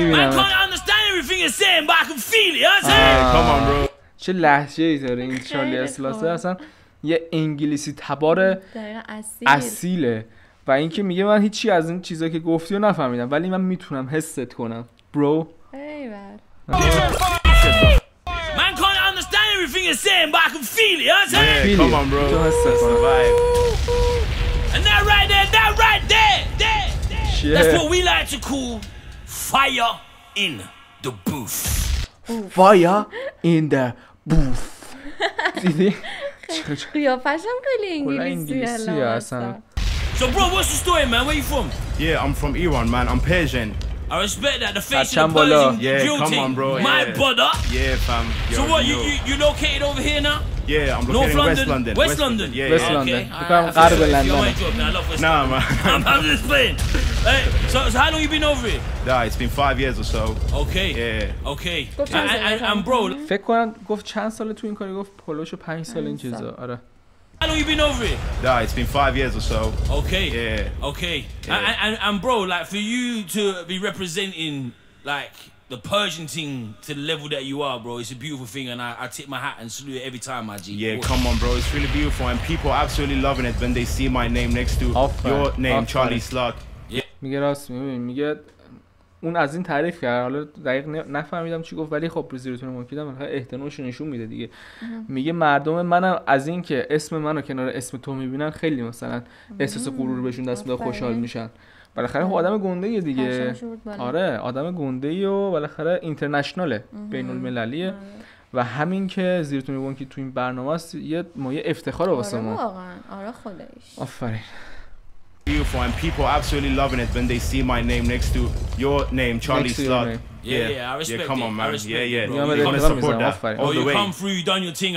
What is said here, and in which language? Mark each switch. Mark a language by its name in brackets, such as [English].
[English] I can't understand everything you're saying, but I can feel it. You know what I'm saying? Come on, bro. [Persian] چه لحظه‌ای داره این چارلی اسلاسه، اصلا یه انگلیسی تبار اصیله و این که میگه من هیچی از این چیزا که گفتی رو نفهمیدم ولی من میتونم حست کنم برو. من [English] can't understand everything you're saying but I can feel it. Yeah, come on bro. [Persian] تو حست کن. [English] And that right there. That's what we like to call fire in the booth. Fire in the booth. [Persian] دیدی؟ قیافش هم خیلی انگلیسی اصلا. [English] So bro, what's the story man? Where you from? Yeah, I'm from Iran man, I'm Persian. I respect that, the face of the Persian. Yeah, come on bro. My brother. Yeah fam. So what, you located over here now? Yeah, I'm located in West London. West London? Yeah, West London. I'm from London. Nah man. I'm just playing. So how long you been over here? Nah, it's been 5 years or so. Okay. Yeah. Okay. And bro. [Persian] فکر کنم گفت چند ساله تو این کاری، گفت پولوشو 5 سال این چیزا. آره. [English] How long you been over here? Nah, it's been 5 years or so. Okay. Yeah. Okay. And bro, like for you to be representing like the Persian thing to the level that you are, bro, it's a beautiful thing, and I tip my hat and salute it every time, my G. Yeah, come on, bro, it's really beautiful, and people are absolutely loving it when they see my name next to your name, Charlie Slug. [Persian] میگه راست، میگه اون از این تعریف کرد، حالا دقیق نفهمیدم چی گفت ولی خب زیرتون ممکنه مثلا احتناش نشون میده دیگه. میگه مردم منم از این که اسم منو کنار اسم تو میبینن خیلی مثلا احساس غرور بهشون دست میده، خوشحال میشن. بالاخره خب آدم گنده ایه دیگه. آره آدم گنده ای و بالاخره اینترنشناله، بین المللیه. و همین که زیرتون میبون که تو این برنامه است یه مایه افتخار واسه ما. آره واقعا. آره خودش. آفرین. [English] Beautiful and people absolutely loving it when they see my name next to your name, Charlie Slug. Yeah, I respect it. Come on, man. Yeah. You're gonna support that. Oh, you come through, you done your thing.